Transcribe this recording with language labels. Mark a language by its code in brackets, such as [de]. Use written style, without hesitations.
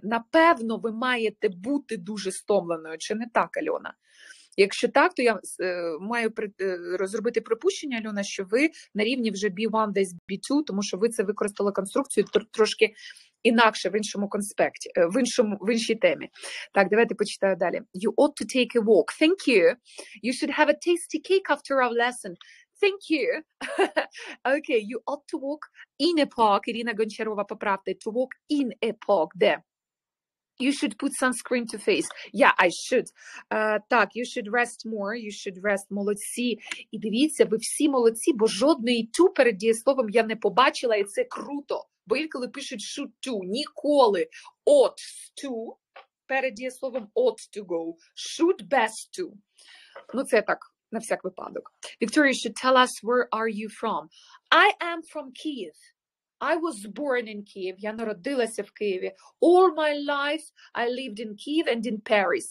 [uk] Напевно, ви маєте бути дуже стомленою, чи не так, Альона? Якщо так, то я маю розробити припущення, Альона, що ви на рівні вже B1, десь B2, тому що ви це використали конструкцію трошки інакше, в іншому конспекті, в іншій темі. Так, давайте почитаю далі. [en] You ought to take a walk. Thank you. You should have a tasty cake after our lesson. Thank you. Okay, you ought to walk in a park. [uk] Ірина Гончарова, поправте. [en] To walk in a park. [uk] Де? [en] You should put sunscreen to face. Yeah, I should. [uk] Так, [en] you should rest more. You should rest. [uk] Молодці. І дивіться, ви всі молодці, бо жодної to перед дієсловом я не побачила, і це круто. Бо інколи пишуть should to, ніколи ought to, перед дієсловом ought to go, should best to. Ну, це так, на всяк випадок. [en] Victoria, you should tell us where are you from. I am from Kyiv. I was born in Kyiv. [uk] Я народилася в Києві. [en] All my life I lived in Kyiv and in Paris.